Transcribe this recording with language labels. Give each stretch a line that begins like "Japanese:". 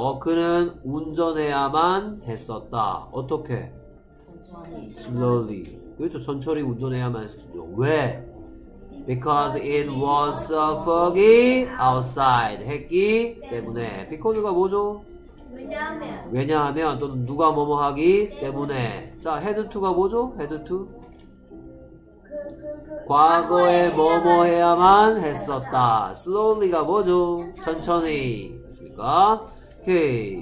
Korean: 그는 운전해야만 했었다. 어떻게? 천천히. Slowly. 그렇죠. 천천히 운전해야만 했었죠. 왜?
English: Because it was so foggy outside
Korean: 했기 때문에. Because가 뭐죠? 왜냐하면. 왜냐하면 또는 누가 뭐뭐 하기 때문에. 자, had to가 뭐죠? Had to. 과거에 뭐뭐 해야만 했었다. Slowly가 뭐죠? 천천히. 됐습니까? Okay.